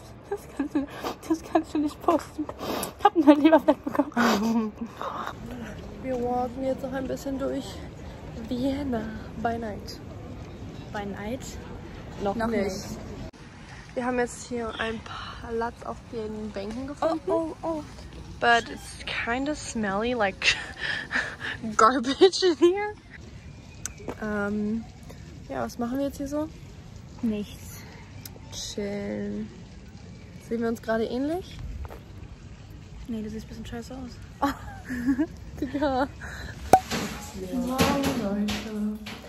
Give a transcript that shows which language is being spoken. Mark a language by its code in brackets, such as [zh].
[de] Das kannst du nicht posten. Ich hab nur Leberfleck bekommen. Wir walken jetzt noch ein bisschen durch Vienna. [en] By night. By night? [de] Noch nicht. Wir haben jetzt hier ein paar Platz auf den Bänken gefunden. Oh. [en] But it's kind of smelly, like garbage in here. [de] Ja, was machen wir jetzt hier so? Nichts. Chillen. Sehen wir uns gerade ähnlich? Nee, du siehst ein bisschen scheiße aus. Digga. Morgen, Leute.